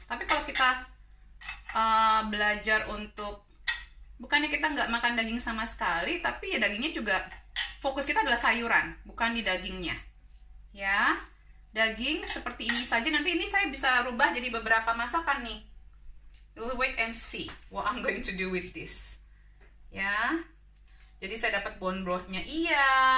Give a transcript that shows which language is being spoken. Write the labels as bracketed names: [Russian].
[Indonesian] Tapi kalau kita belajar untuk, bukannya kita nggak makan daging sama sekali, tapi ya dagingnya juga, fokus kita adalah sayuran, bukan di dagingnya. Ya, daging seperti ini saja, nanti ini saya bisa rubah jadi beberapa masakan nih. [English] We'll wait and see what I'm going to do with this. [Indonesian] Ya, jadi saya dapat bone broth-nya, iya.